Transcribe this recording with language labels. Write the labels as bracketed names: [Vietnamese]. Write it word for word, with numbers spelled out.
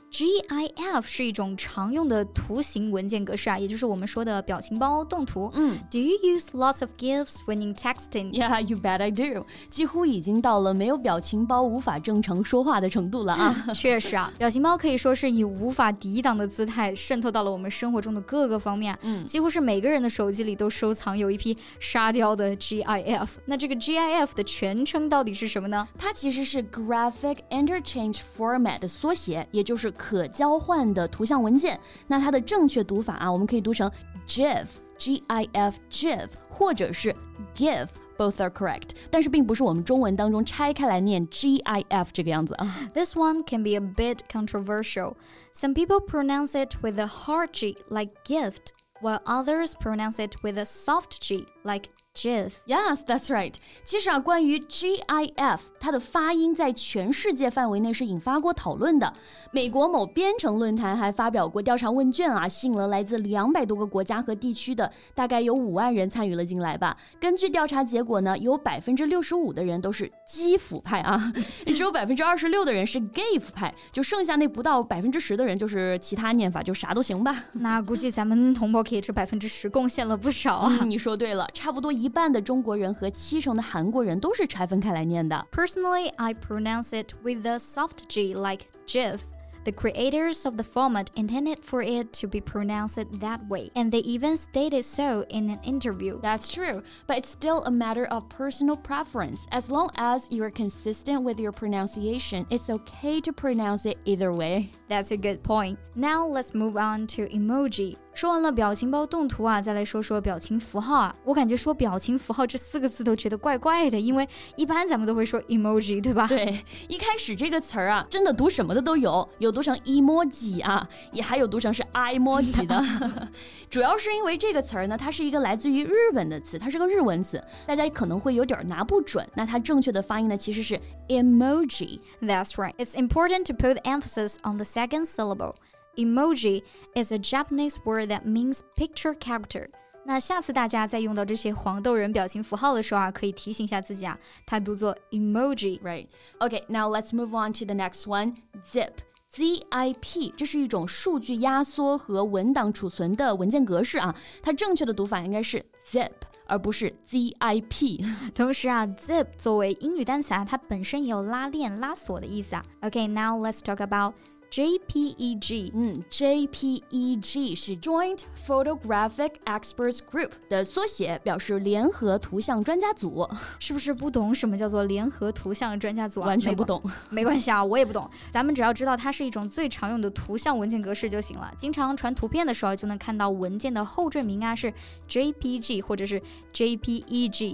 [Chinese] G I F 是一种常用的图形文件格式啊，也就是我们说的表情包动图。嗯 [English] Do you use lots of GIFs when you texting? Yeah, you bet I do. [Chinese] 几乎已经到了没有表情包无法正常说话的程度了啊。确实啊，表情包可以说是以无法抵挡的姿态渗透到了我们生活中的各个方面。嗯，几乎是每个人的手机里都收藏有一批沙雕的 G I F。那这个 G I F 的全称到底是什么呢？它其实是 Graphic Interchange Format 的缩写，也就是可交换的图像文件，那它的正确读法啊，我们可以读成 GIF, G I F, GIF, 或者是 GIF, [English] both are correct. [Chinese] 但是并不是我们中文当中拆开来念 G I F 这个样子。 [English] This one can be a bit controversial. Some people pronounce it with a hard G, like gift, while others pronounce it with a soft G, like GIF. Yes, that's right. [Chinese] 其实啊，关于 G I F 它的发音在全世界范围内是引发过讨论的。美国某编程论坛还发表过调查问卷啊，吸引了来自两百多个国家和地区的大概有五万人参与了进来吧。根据调查结果呢，有 百分之六十五 的人都是基辅派啊，只有 百分之二十六 的人是 GIF 派，就剩下那不到 百分之十 的人就是其他念法，就啥都行吧。那估计咱们同胞给这 百分之十 贡献了不少啊。嗯，你说对了，差不多一一半的中国人和七成的韩国人都是拆分开来念的。 [English] Personally, I pronounce it with a soft G like GIF. The creators of the format intended for it to be pronounced that way, and they even stated so in an interview. That's true, but it's still a matter of personal preference. As long as you're consistent with your pronunciation, it's okay to pronounce it either way. That's a good point. Now let's move on to emoji. [Chinese] 说完了表情包动图啊，再来说说表情符号啊。我感觉说表情符号这四个字都觉得怪怪的，因为一般咱们都会说 emoji， 对吧？对，一开始这个词儿啊，真的读什么的都有，有读成 emoji 啊，也还有读成是 i-moji 的。主要是因为这个词儿呢，它是一个来自于日本的词，它是个日文词，大家可能会有点拿不准。那它正确的发音呢，其实是 emoji。 [English] That's right. It's important to put emphasis on the second syllable. Emoji is a Japanese word that means picture character. [Chinese] 那下次大家在用到这些黄豆人表情符号的时候啊，可以提醒一下自己啊，它读作 emoji. [English] Right. Okay, now let's move on to the next one. Zip. [Chinese] Z I P 这是一种数据压缩和文档储存的文件格式啊，它正确的读法应该是 zip。而不是 zip 同时啊 zip 作为英语单词啊，它本身也有拉链拉锁的意思啊。 [English] Okay, now let's talk aboutJPEG、 [Chinese] 嗯、J P E G 是 Joint Photographic Experts Group 的缩写，表示联合图像专家组。是不是不懂什么叫做联合图像专家组啊？完全不懂。没关系啊，我也不懂，咱们只要知道它是一种最常用的图像文件格式就行了。经常传图片的时候就能看到文件的后缀名啊，是 J P G 或者是 J P E G、